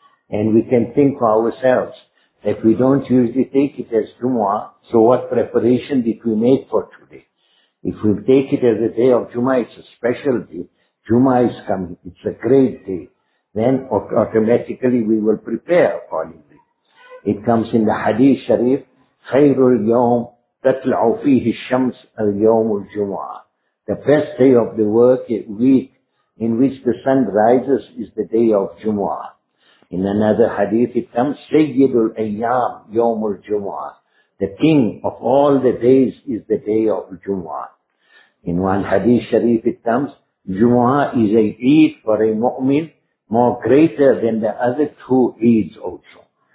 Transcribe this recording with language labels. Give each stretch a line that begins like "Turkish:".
English: And we can think for ourselves that we don't usually take it as Jumu'ah, so what preparation did we make for today? If we take it as a day of Jumu'ah, it's a special day. Jumu'ah is coming, it's a great day. Then automatically we will prepare accordingly. It comes in the Hadith Sharif,
Arabic: خَيْرُ الْيَوْمِ تَطْلَعُ فِيهِ الشَّمْسِ الْيَوْمُ الْجُمُعَةِ.
English: The best day of the work week in which the sun rises is the day of Jumu'ah. In another hadith it comes,
Arabic: سَيِّدُ الْأَيَّامِ يَوْمُ الْجُمُعَةِ.
English: The king of all the days is the day of Jumu'ah. In one Hadith Sharif it comes, Jumu'ah is a Eid for a mu'min more greater than the other two Eids also.